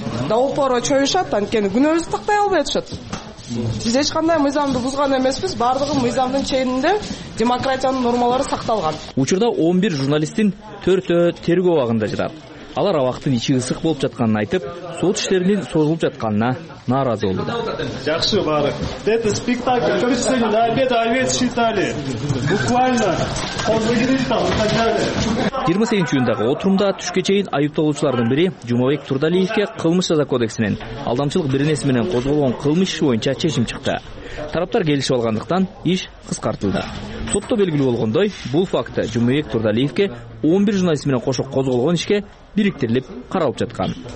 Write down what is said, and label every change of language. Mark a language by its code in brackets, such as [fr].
[ky] Долбоору чоюшат, анткени күнөөсү тактай албай атышат. Сиз эч кандай мыйзамды бузган эмеспиз, бардыгы мыйзамдын чегинде демократиянын нормалары сакталган. Учурда 11 журналистин 4-ө тергөө багында жатат. Алар абактын ичи ысык болуп жатканын айтып, сот иштеринин созулуп жатканына нааразы болду. Жакшы баары. [ru] Это спектакль, как сегодня до обеда овец считали. Буквально он выиграл там, так далее. [ky] 28 июндагы отурумда түшкө чейин айыпталуучулардын бири Жумабек Турдалиевке кылмыш жаза кодексинен алдамчылык беренеси менен козголгон кылмыш иши боюнча чечим чыкты. Тараптар келишип алгандыктан иш кыскартылды. Сотто белгилүү болгондой, бул факты Жумабек Турдалиевке 11 журналист менен кошо козголгон ишке бириктирилип каралып жаткан.